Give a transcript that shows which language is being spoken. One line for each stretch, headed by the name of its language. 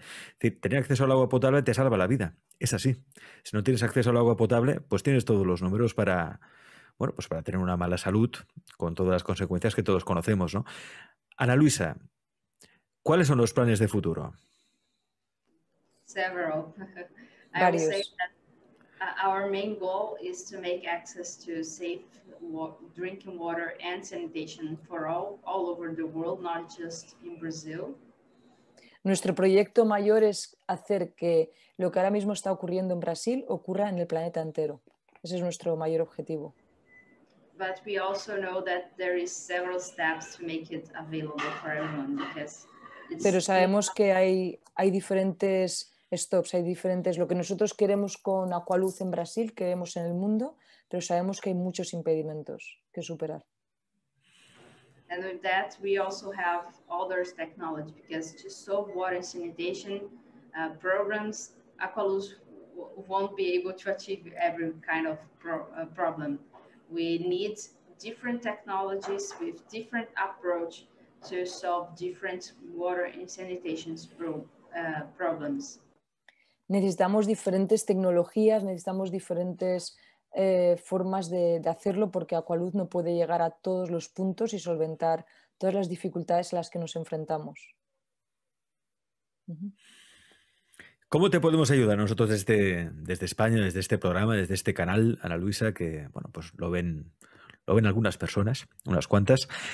Spanish: Es decir, tener acceso al agua potable te salva la vida. Es así. Si no tienes acceso al agua potable, pues tienes todos los números para, bueno, pues para tener una mala salud, con todas las consecuencias que todos conocemos, ¿no? Ana Luisa, ¿cuáles son los planes de futuro?
English: Several.
Spanish: Varios.
English: Our main goal is to make access to safe drinking water and sanitation for all over the world, not just in Brazil.
Spanish: Nuestro proyecto mayor es hacer que lo que ahora mismo está ocurriendo en Brasil ocurra en el planeta entero. Ese es nuestro mayor objetivo.
English: But we also know that there is several steps to make it available for everyone because it's
Spanish: Pero sabemos que hay diferentes stops, hay diferentes, lo que nosotros queremos con Aqualuz en Brasil, queremos en el mundo, pero sabemos que hay muchos impedimentos que superar.
English: And with that, we also have other technology because to solve water sanitation programs, Aqualuz won't be able to achieve every kind of problem. We need different technologies with different approach to solve different water and sanitation problems.
Spanish: Necesitamos diferentes tecnologías, necesitamos diferentes formas de hacerlo porque Aqualuz no puede llegar a todos los puntos y solventar todas las dificultades a las que nos enfrentamos. ¿Cómo te podemos ayudar nosotros desde España, desde este programa, desde este canal, Ana Luisa, que bueno, pues lo ven algunas personas, unas cuantas?